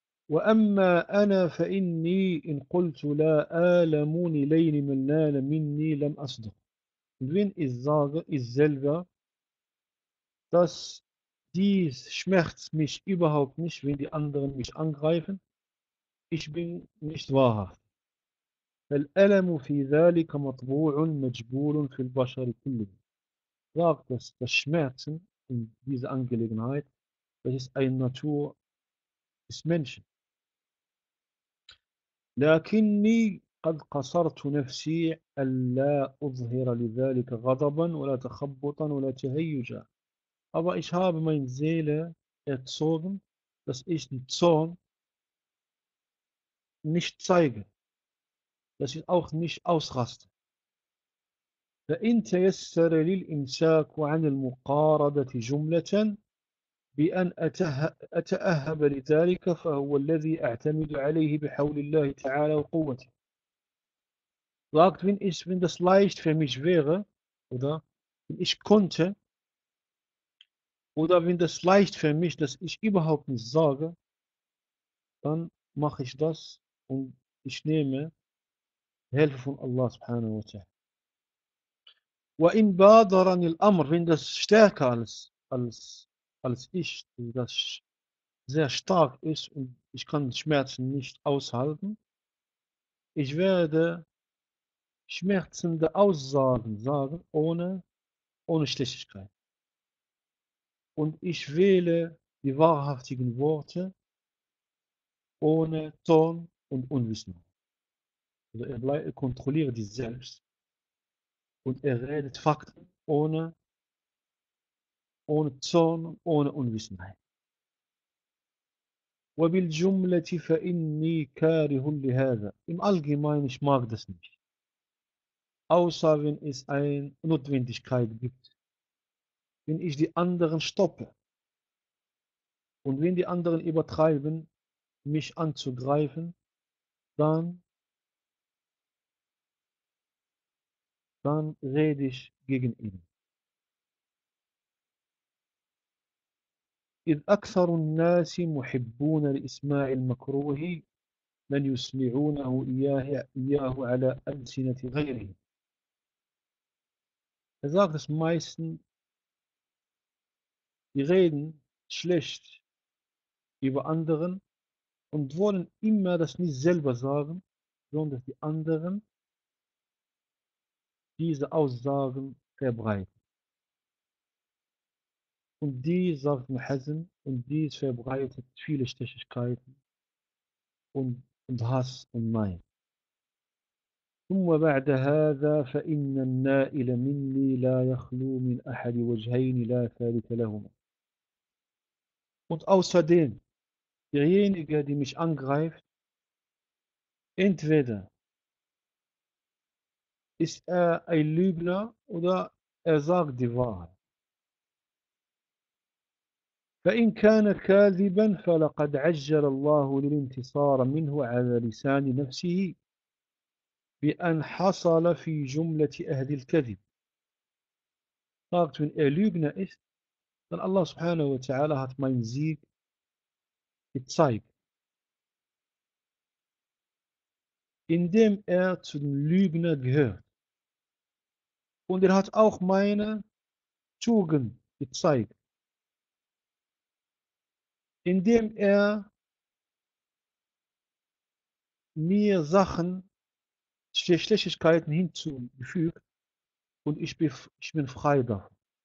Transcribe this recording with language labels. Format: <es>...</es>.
<ar>وَأَمَّا أَنَا فَإِنِّي إِنْ قُلْتُ لَا أَعْلَمُونِ لَيْنِ مَنْ نَالَ مِنِّي لَمْ أَصْدُقْ.</ar> <de>Wenn ich sage, ich selber, dass dies schmerzt mich überhaupt nicht, wenn die anderen mich angreifen, ich bin nicht wahrhaft.</de> <ar>فالألم في ذلك مطبوع مجبول في البشر كله.</ar> <de>Sagt, dass das Schmerzen in dieser Angelegenheit, das ist eine Natur des Menschen.</de> <ar>لكني قد قصرت نفسي ألا أظهر لذلك غضبا ولا تخبطا ولا تهيجا.</ar> <de>Aber ich habe mein Seele erzogen, dass ich den Zorn nicht zeige, dass ich auch nicht ausraste.</de> <ar>فإن تيسر لي الإمساك عن المقاردة جملة بأن أتأهب لذلك فهو الذي أعتمد عليه بحول الله تعالى وقوته.</ar> <de>Sagt, wenn das leicht für mich wäre, oder wenn ich könnte, oder wenn das leicht für mich, dass ich überhaupt nicht sage, dann mache ich das und ich nehme Hilfe von Allah subhanahu wa ta'ala.</de> <ar>وإن بادرني الأمر,</ar> <de>wenn das stärker als ich, das sehr stark ist und ich kann Schmerzen nicht aushalten, ich werde schmerzende Aussagen sagen, ohne Schlechtigkeit. Und ich wähle die wahrhaftigen Worte ohne Zorn und Unwissen. Also er kontrolliert sich selbst. Und er redet Fakten ohne Zorn, ohne Unwissenheit.</de> <ar>وبالجملة فإني كاره لهذا.</ar> <de>Im Allgemeinen, ich mag das nicht. Außer wenn es eine Notwendigkeit gibt. Wenn ich die anderen stoppe. Und wenn die anderen übertreiben, mich anzugreifen, dann rede ich gegen ihn.</de> <ar>إذ أكثر الناس محبون لإسماع المكروه من يسمعونه إياه على ألسنة غيره.</ar> <de>Er sagt, dass meisten, die reden schlecht über anderen und wollen immer das nicht selber sagen, sondern die anderen diese Aussagen verbreiten. Und dies, sagt Muhazin, und dies verbreitet viele Stechigkeiten und Hass und Neid.</de> <ar>ثم بعد هذا فإن النائل مني لا يخلو من أحد وجهين لا ثالث لهما.</ar> <de>Und außerdem, derjenige, der mich angreift, entweder ist er ein Lügner oder er sagt die Wahrheit.</de> <ar>فإن كان كاذبا فلقد عجل الله للانتصار منه على لسان نفسه بأن حصل في جملة أهل الكذب.</ar> <de>Sagt, wenn er Lügner ist, dann Allah subhanahu wa ta'ala hat mein Sieg gezeigt, indem er zu den Lügner gehört. Und er hat auch meine Tugend gezeigt, indem er mir Sachen Schlechtigkeiten hinzugefügt und ich bin frei davon.</de>